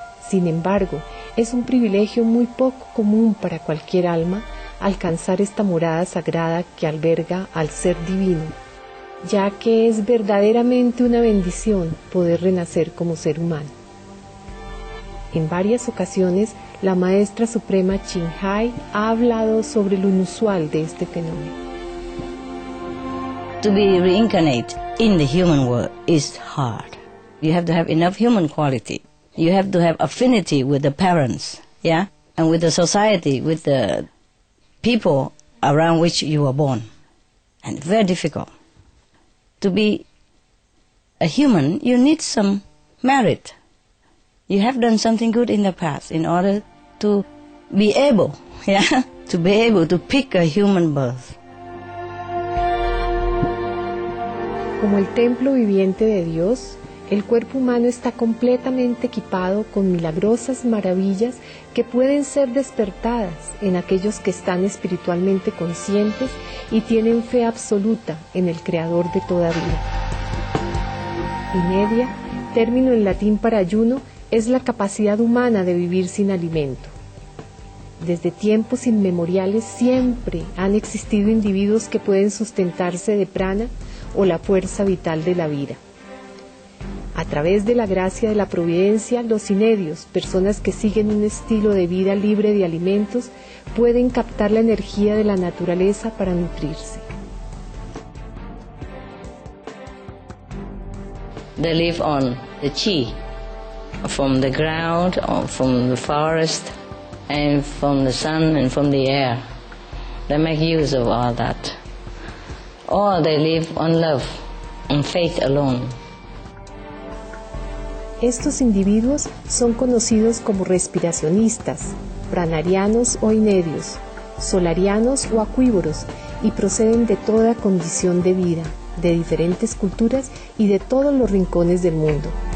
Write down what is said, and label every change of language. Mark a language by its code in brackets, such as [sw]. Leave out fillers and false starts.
[es] Sin embargo, es un privilegio muy poco común para cualquier alma alcanzar esta morada sagrada que alberga al ser divino, ya que es verdaderamente una bendición poder renacer como ser humano. En varias ocasiones, la Maestra Suprema Qinghai ha hablado sobre lo inusual de este fenómeno. [en] To be reincarnate in the human world is hard. You have to have enough human quality. You have to have affinity with the parents, yeah? And with the society, with the people around which you were born. And very difficult. To be a human, you need some merit. You have done something good in the past in order to be able, yeah? To be able to pick a human birth. [es] Como el templo viviente de Dios, el cuerpo humano está completamente equipado con milagrosas maravillas que pueden ser despertadas en aquellos que están espiritualmente conscientes y tienen fe absoluta en el Creador de toda vida. Y media, término en latín para ayuno, es la capacidad humana de vivir sin alimento. Desde tiempos inmemoriales siempre han existido individuos que pueden sustentarse de prana, o la fuerza vital de la vida. A través de la gracia de la providencia, los inedios, personas que siguen un estilo de vida libre de alimentos, pueden captar la energía de la naturaleza para nutrirse. [en] They live on the chi, from the ground, or from the forest, and from the sun and from the air. They make use of all that. Or they live on love and faith alone. [es] Estos individuos son conocidos como respiracionistas, pranarianos o inedios, solarianos o acuívoros, y proceden de toda condición de vida, de diferentes culturas y de todos los rincones del mundo.